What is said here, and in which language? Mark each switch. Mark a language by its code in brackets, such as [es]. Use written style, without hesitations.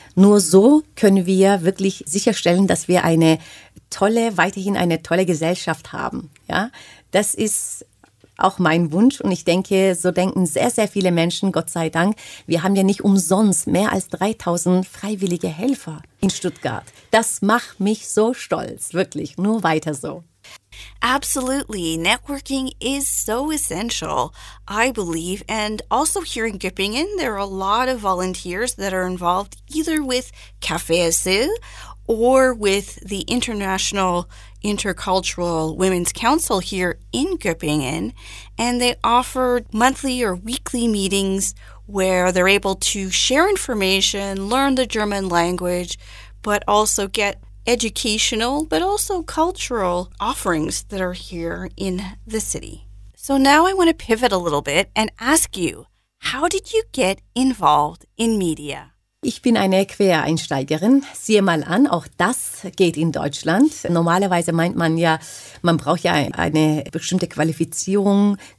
[de] Nur so können wir wirklich sicherstellen, dass wir eine tolle, weiterhin eine tolle Gesellschaft haben. Ja, das ist auch mein Wunsch und ich denke, so denken sehr, sehr viele Menschen, Gott sei Dank. Wir haben ja nicht umsonst mehr als 3000 freiwillige Helfer in Stuttgart. Das macht mich so stolz, wirklich, nur weiter so. [en] Absolutely. Networking is so essential, I believe. And also here in Göppingen, there are a lot of volunteers that are involved either with Café Azul or with the International Intercultural Women's Council here in Göppingen. And they offer monthly or weekly meetings where they're able to share information, learn the German language, but also get educational, but also cultural offerings that are here in the city. So now I want to pivot a little bit and ask you, how did you get involved in media? [de] Ich bin eine Quereinsteigerin. Siehe mal an, auch das geht in Deutschland. Normalerweise meint man ja, man braucht ja eine bestimmte Qualifikation.